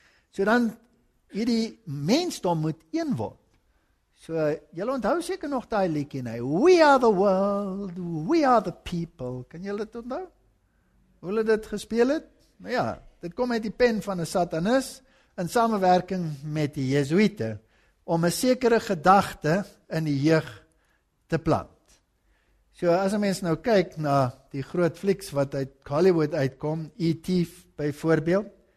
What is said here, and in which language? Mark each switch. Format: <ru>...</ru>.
<af>So dan hierdie mensdom moet een word. So, julle onthou seker nog daai liedjie, nee?</af> <en>We are the world, we are the people.</en> <af>Kan julle dit onthou? Hoe hulle dit gespeel het? Nou ja, dit kom uit die pen van 'n satanis in samewerking met die Jesuite om 'n sekere gedagte in die jeug te plant. So, as 'n mens nou kyk na die groot flieks wat uit Hollywood uitkom, E.T. byvoorbeeld,</af>